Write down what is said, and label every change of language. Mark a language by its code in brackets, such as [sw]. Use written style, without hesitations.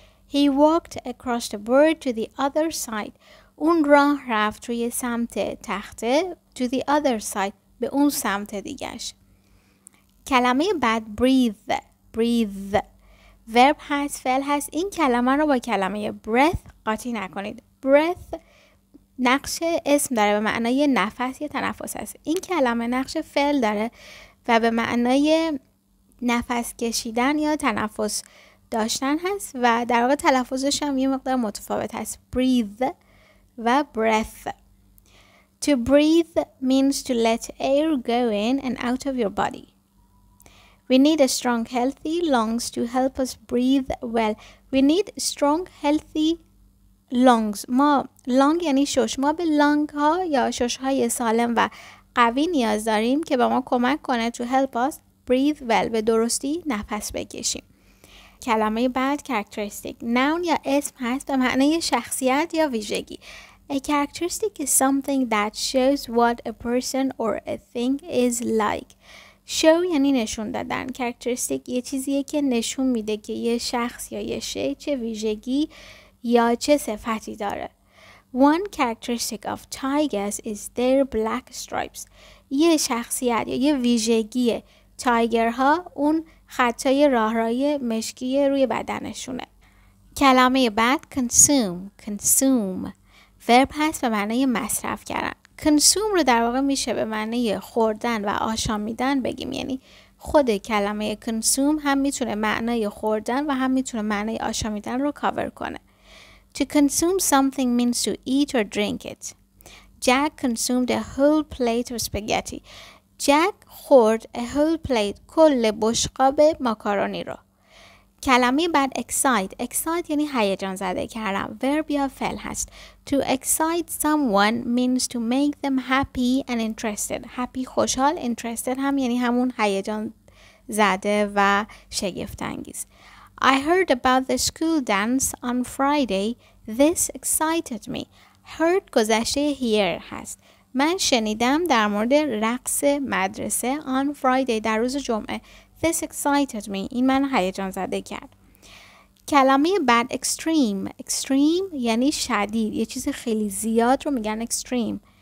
[en] He walked across the board to the other side. [fa] اون راه رفت روی سمت تخته، [en] to the other side، [fa] به اون سمت دیگرش. کلمه بعد breathe. Verb هست، فعل هست. این کلمه رو با کلمه breath قاطی نکنید. Breath نقش اسم داره، به معنای نفس یا تنفس هست. این کلمه نقش فعل داره و به معنای نفس کشیدن یا تنفس داشتن هست و در واقع تلفظش هم یه مقدار متفاوت هست. [en] Breathe و breath. To breathe means to let air go in and out of your body. We need a strong healthy lungs to help us breathe well. We need strong healthy lungs. [fa] ما lung یعنی شش. ما به lung ها یا شش های سالم و قوی نیاز داریم که به ما کمک کنه [en] to help us breathe well، [fa] به درستی نفس بکشیم. کلمه بعد characteristic. Noun یا اسم هست، به معنی شخصیت یا ویژگی. [en] A characteristic is something that shows what a person or a thing is like. [fa] Show یعنی نشون دادن. Characteristic یه چیزیه که نشون میده که یه شخص یا یه شی چه ویژگی یا چه صفتی داره. [en] One characteristic of tigers is their black stripes. [fa] یه شخصیت یا یه ویژگیه تایگرها اون خطای راهرای مشکی روی بدنشونه. کلمه بعد consume. Verb هست، به معنی مصرف کردن. consume رو در واقع میشه به معنی خوردن و آشامیدن بگیم، یعنی خود کلمه consume هم میتونه معنی خوردن و هم میتونه معنی آشامیدن رو کاور کنه. [en] To consume something means to eat or drink it. Jack consumed a whole plate of spaghetti. [fa] Jack خورد [en] a whole plate، [fa] کل بشقاب ماکارونی رو. کلمه بعد excite یعنی هیجان زده کردن. Verb یا فعل هست. [en] To excite someone means to make them happy and interested. [fa] Happy خوشحال، interested هم یعنی همون هیجان زده و شگفت انگیز. [en] I heard about the school dance on Friday. This excited me. Heard [fa] گذشته [en] hear هست. [fa] من شنیدم در مورد رقص مدرسه [en] on Friday [fa] در روز جمعه. [en] This excited me. [fa] این من هیجان زده کرد. کلمه بعد extreme یعنی شدید. یه چیز خیلی زیاد رو میگن extreme.